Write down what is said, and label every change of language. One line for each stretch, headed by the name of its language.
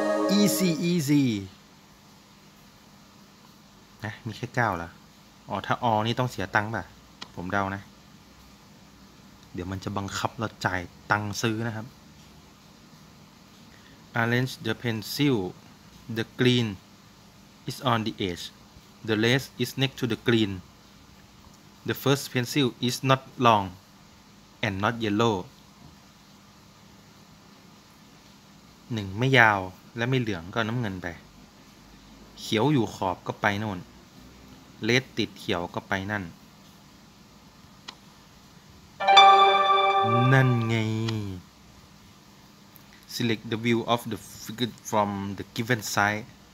Thai: อีซีอีซีนะมีแค่9เหรออ๋อถ้าออนี่ต้องเสียตังค์ป่ะผมเดานะเดี๋ยวมันจะบังคับเราจ่ายตังค์ซื้อนะครับ
English: Arrange the pencil the green is on the edgeThe lace is next to the green. The first pencil is not long and not yellow.
Thai: 1ไม่ยาวและไม่เหลืองก็น้ำเงินไปเขียวอยู่ขอบก็ไปโน่นเลสติดเขียวก็ไปนั่นนั่นไง
English: Select the view of the figure from the given side.